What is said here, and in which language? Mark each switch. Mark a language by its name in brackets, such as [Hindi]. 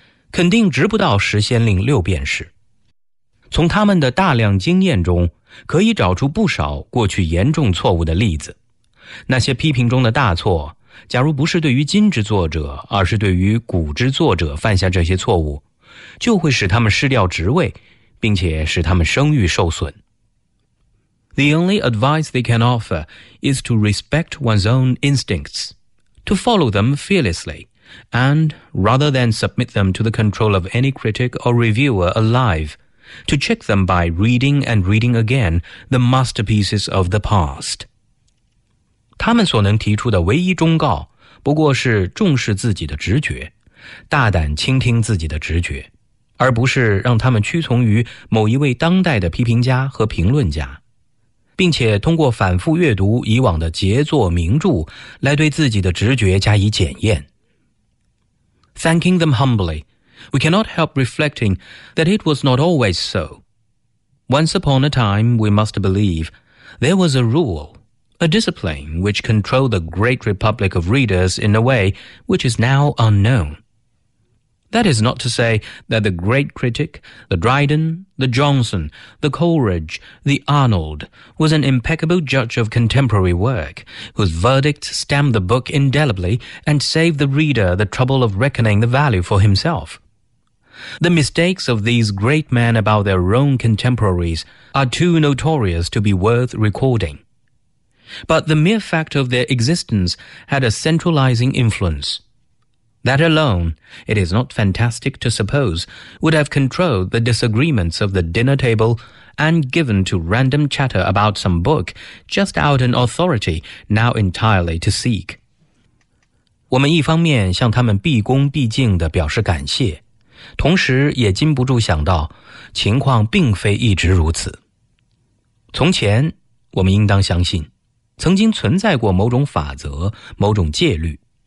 [Chinese] 肯定值不到十先令六便士。从他们的大量经验中可以找出不少过去严重错误的例子。那些批评中的大错，假如不是对于今之作者，而是对于古之作者犯下这些错误，就会使他们失掉职位，并且使他们声誉受损。 [English] The only advice they can offer is to respect one's own instincts, to follow them fearlessly, and rather than submit them to the control of any critic or reviewer alive, to check them by reading and reading again the masterpieces of the past. [Chinese] 他们所能提出的唯一忠告不过是重视自己的直觉，大胆倾听自己的直觉，而不是让他们屈从于某一位当代的批评家和评论家，并且通过反复阅读以往的杰作名著来对自己的直觉加以检验。 [English] Thanking them humbly, we cannot help reflecting that it was not always so. Once upon a time, we must believe, there was a rule, a discipline which controlled the great republic of readers in a way which is now unknown. That is not to say that the great critic, the Dryden, the Johnson, the Coleridge, the Arnold, was an impeccable judge of contemporary work, whose verdict stamped the book indelibly and saved the reader the trouble of reckoning the value for himself. The mistakes of these great men about their own contemporaries are too notorious to be worth recording. But the mere fact of their existence had a centralizing influence. That alone, it is not fantastic to suppose, would have controlled the disagreements of the dinner table and given to random chatter about some book just out an authority now entirely to seek. [Chinese] 我们一方面向他们毕恭毕敬地表示感谢，同时也禁不住想到情况并非一直如此。从前，我们应当相信，曾经存在过某种法则，某种戒律。